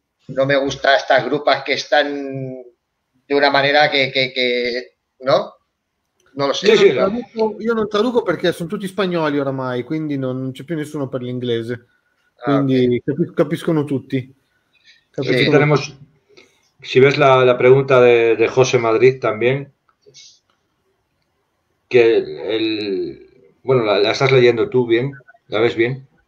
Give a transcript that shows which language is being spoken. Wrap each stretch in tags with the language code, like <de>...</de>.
<es>No me gusta estas grupas que están de una manera que ¿no? No lo sé.</es> <it>Io non traduco perché sono tutti spagnoli oramai, quindi non c'è più nessuno per l'inglese. Quindi capiscono tutti.</it> <es>Si ves la pregunta de José Madrid también, que la estás leyendo tú bien, la ves bien.</es>